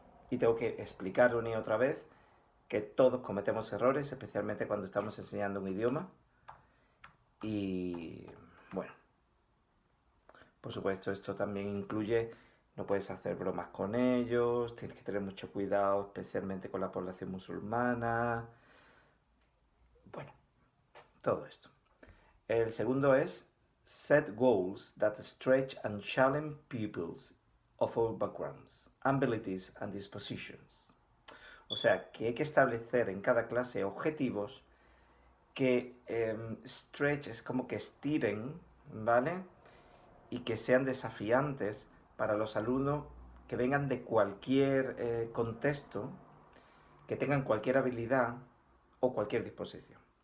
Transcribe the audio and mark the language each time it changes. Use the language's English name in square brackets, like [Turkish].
[Spanish] Y tengo que explicar una y otra vez que todos cometemos errores, especialmente cuando estamos enseñando un idioma. Y bueno, por supuesto, esto también incluye, no puedes hacer bromas con ellos, tienes que tener mucho cuidado, especialmente con la población musulmana. Bueno, todo esto. El segundo es... [English] Set goals that stretch and challenge pupils of all backgrounds, abilities and dispositions. [Spanish] O sea, que hay que establecer en cada clase objetivos que stretch es como que estiren, ¿vale? Y que sean desafiantes para los alumnos que vengan de cualquier contexto, que tengan cualquier habilidad o cualquier disposición.